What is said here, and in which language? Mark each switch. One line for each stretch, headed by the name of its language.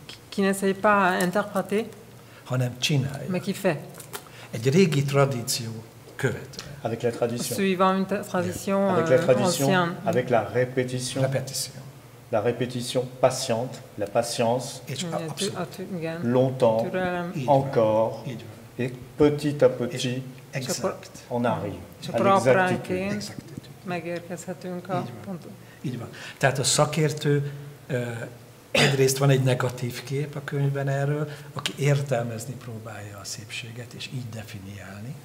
French: qui n'essaye pas à interpréter.
Hungarian: Hanem csinálja.
French: Mais qui fait?
Hungarian: Egy régi tradíció követve.
French: Avec la tradition. Suivant une tradition ancienne. Avec la tradition. Ancienne. Avec la répétition. La répétition. La répétition patiente, la patience. Et longtemps, encore, et petit à petit, exact. On arrive à l'exactitude.
Hungarian: megérkezhetünk a ponton. Így van. Tehát a szakértő, egyrészt van egy negatív kép a könyvben erről, aki értelmezni próbálja a szépséget, és így definiálni.